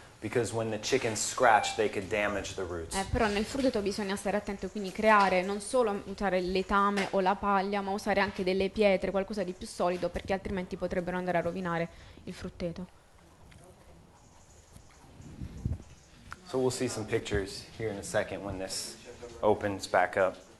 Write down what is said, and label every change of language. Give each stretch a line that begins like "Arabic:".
English: Because when the chickens scratch, they could damage the roots.
Italian: Però nel frutteto bisogna stare attento, quindi creare non solo usare l'etame o la paglia, ma usare anche delle pietre, qualcosa di più solido, perché altrimenti potrebbero andare a rovinare il frutteto.
English: So we'll see some pictures here in a second when this opens back up.